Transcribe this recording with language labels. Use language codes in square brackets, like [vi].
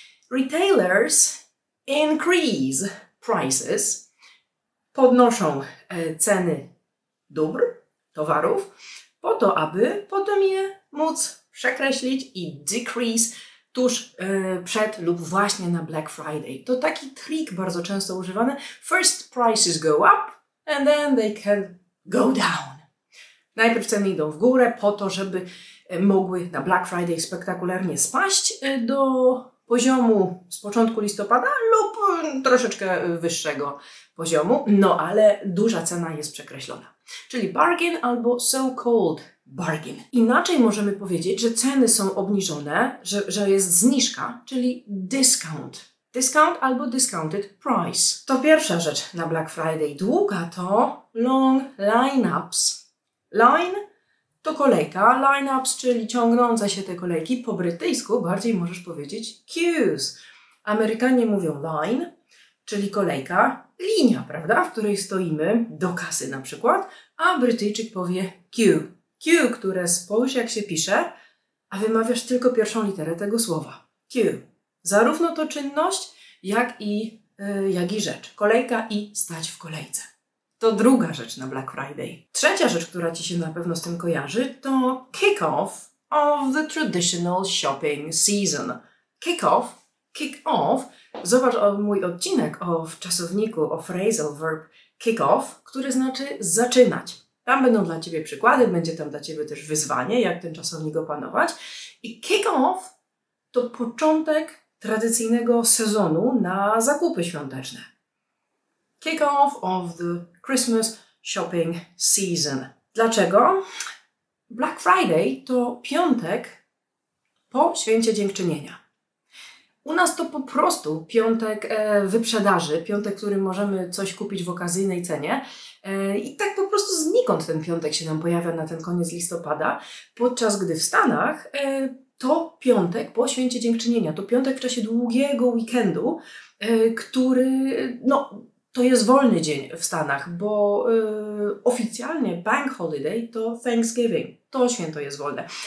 [en] Retailers increase prices, [pl] podnoszą ceny dóbr, towarów, po to, aby potem je móc przekreślić i decrease tuż przed lub właśnie na Black Friday. To taki trik bardzo często używany. [en] First prices go up and then they can go down. [pl] Najpierw ceny idą w górę po to, żeby mogły na Black Friday spektakularnie spaść do poziomu z początku listopada lub troszeczkę wyższego poziomu, no ale duża cena jest przekreślona. Czyli bargain albo so-called bargain. Inaczej możemy powiedzieć, że ceny są obniżone, że jest zniżka, czyli discount. Discount albo discounted price. To pierwsza rzecz na Black Friday. Druga to long lineups. Line to kolejka, lineups, czyli ciągnące się te kolejki. Po brytyjsku bardziej możesz powiedzieć queues. Amerykanie mówią line, czyli kolejka, linia, prawda, w której stoimy do kasy na przykład, a Brytyjczyk powie queue. Queue, które spojrzy jak się pisze, a wymawiasz tylko pierwszą literę tego słowa. Queue. Zarówno to czynność, jak i rzecz. Kolejka i stać w kolejce. To druga rzecz na Black Friday. Trzecia rzecz, która Ci się na pewno z tym kojarzy, to [en] kick-off of the traditional shopping season. [pl] Kick-off, kick-off. Zobacz mój odcinek o czasowniku, o phrasal verb kick-off, który znaczy zaczynać. Tam będą dla Ciebie przykłady, będzie tam dla Ciebie też wyzwanie, jak ten czasownik opanować. I kick-off to początek tradycyjnego sezonu na zakupy świąteczne. [en] Kick-off of the Christmas shopping season. [pl] Dlaczego? Black Friday to piątek po święcie Dziękczynienia. U nas to po prostu piątek wyprzedaży, piątek, w którym możemy coś kupić w okazyjnej cenie. I tak po prostu znikąd ten piątek się nam pojawia na ten koniec listopada, podczas gdy w Stanach to piątek po święcie Dziękczynienia, to piątek w czasie długiego weekendu, który, no, to jest wolny dzień w Stanach, bo oficjalnie bank holiday to Thanksgiving, to święto jest wolne.